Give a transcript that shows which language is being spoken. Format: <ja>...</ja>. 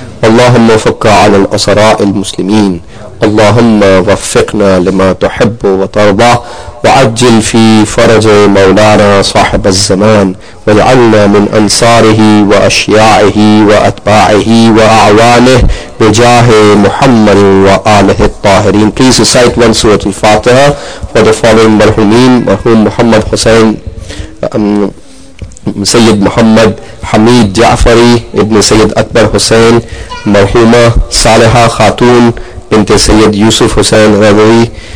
<ar>اللهم وفق على الأسراء المسلمين. اللهم وفقنا لما تحب وترضى وعجل في فرج مولانا صاحب الزمان واجعلنا من أنصاره وأشياعه وأتباعه وأعوانه بجاه محمد وآله الطاهرين.</ar> <en>Please recite one سورة الفاتحة for the following مرحومين.</en> <ar>مرحوم محمد حسين سيد محمد حميد جعفري ابن سيد أكبر حسين. مرحومة صالحة خاتون بنت سيد يوسف حسين غزوي.</ar>